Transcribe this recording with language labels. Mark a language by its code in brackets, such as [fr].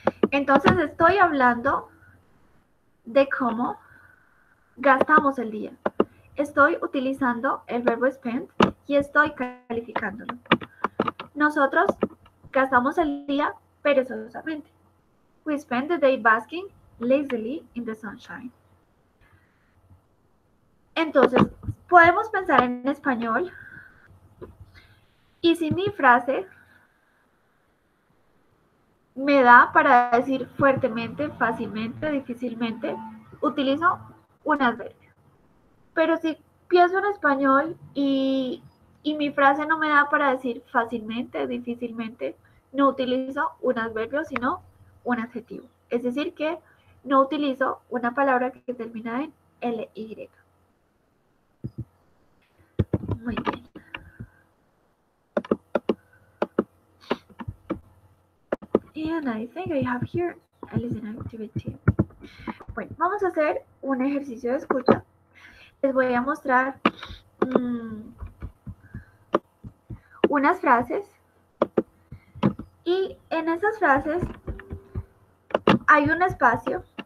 [es] Entonces estoy hablando de cómo gastamos el día. Estoy utilizando el verbo spend y estoy calificándolo. Nosotros gastamos el día perezosamente. [en] We spend the day basking lazily in the sunshine. [es] Entonces, podemos pensar en español. Y si mi frase me da para decir fuertemente, fácilmente, difícilmente, utilizo un adverbio. Pero si pienso en español y mi frase no me da para decir fácilmente, difícilmente, no utilizo un adverbio, sino un adjetivo. Es decir, que no utilizo una palabra que termina en L-Y. Muy bien. [en] And I think I have here a listening activity. [es] Bueno, vamos a hacer un ejercicio de escucha. Les voy a mostrar unas frases. Y en esas frases hay un espacio.